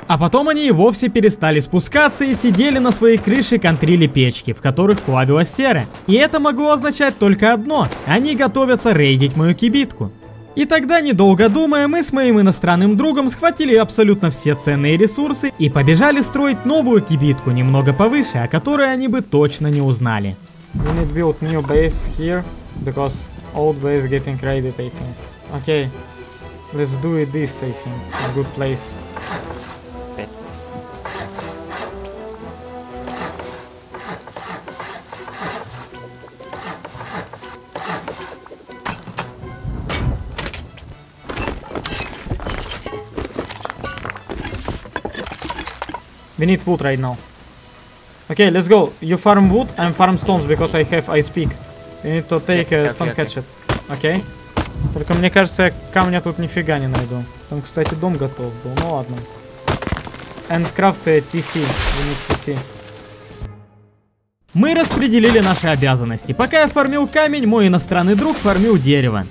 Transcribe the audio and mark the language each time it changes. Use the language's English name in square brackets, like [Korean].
[Russian] А потом они и вовсе перестали спускаться и сидели на своей крыше и контрили печки, в которых плавилась сера. И это могло означать только одно, они готовятся рейдить мою кибитку. И тогда, недолго думая, мы с моим иностранным другом схватили абсолютно все ценные ресурсы и побежали строить новую кибитку, немного повыше, о которой они бы точно не узнали. [English] We need to build new base here, because old base getting raided, I think. Okay, let's do it this, I think. A good place. We need wood right now. Okay, let's go. You farm wood, I farm stones, because I have ice pick. We need to take a stone hatchet. Okay. [Russian] Только мне кажется, я камня тут нифига не найду. Там, кстати, дом готов был, ну ладно. [English] Endcraft TC, we need TC. [Russian] Мы распределили наши обязанности. Пока я фармил камень, мой иностранный друг фармил дерево.